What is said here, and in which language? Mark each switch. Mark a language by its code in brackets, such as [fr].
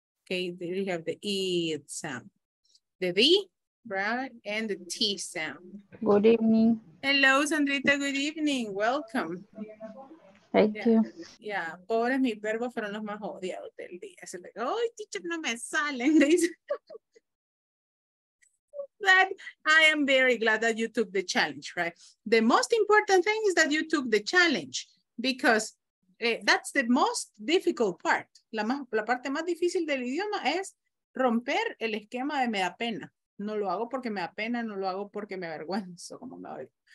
[en] Okay, there you have the id sound. The V, right, and the T sound. Good evening. Hello, Sandrita, good evening. Welcome. Thank you. [es] Yeah, pobres, mis verbos fueron los más odiados del día. Se le dijo, ay, teacher, no me salen. [en] But I am very glad that you took the challenge, right? The most important thing is that you took the challenge because that's the most difficult part. [es] La parte más difícil del idioma es romper el esquema de me da pena. No lo hago porque me da pena, no lo hago porque me avergüenzo, como me oigo.